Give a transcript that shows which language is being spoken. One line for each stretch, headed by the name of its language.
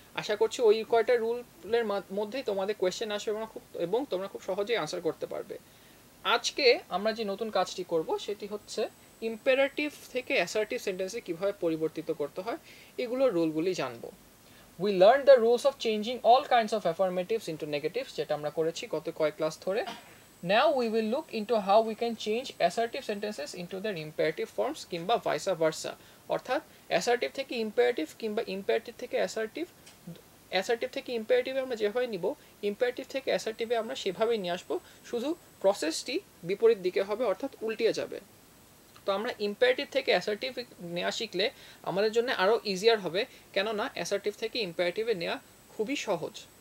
Bangla: আশা করছি ওই কয়টা রুলের মধ্যেই তোমাদের কোয়েশ্চেন আসবে এবং তোমরা খুব সহজেই আনসার করতে পারবে। আজকে আমরা যে নতুন কাজটি করব সেটি হচ্ছে ইম্পারেটিভ থেকে অ্যাসার্টিভ সেন্টেন্সে কীভাবে পরিবর্তিত করতে হয় এগুলোর রুলগুলি জানব।
English: we learn the rules of changing all kinds of affirmatives into negatives,
Bangla: যেটা আমরা করেছি গত কয়েক ক্লাস ধরে।
English: Now we will look into how we can change assertive sentences into their imperative forms
Bangla: kimba
English: vice versa.
Bangla: অর্থাৎ assertive থেকে imperative kimba imperative থেকে assertive, assertive থেকে imperative আমরা যেভাবে নিব, imperative থেকে assertive আমরা সেভাবেই নিয়ে আসবো, শুধু প্রসেসটি বিপরীত দিকে হবে, অর্থাৎ উল্টিয়ে যাবে। তো আমরা imperative থেকে assertive নেওয়া শিখলে আমাদের জন্য আরও ইজিয়ার হবে, কেননা assertive থেকে imperative নেওয়া খুবই সহজ।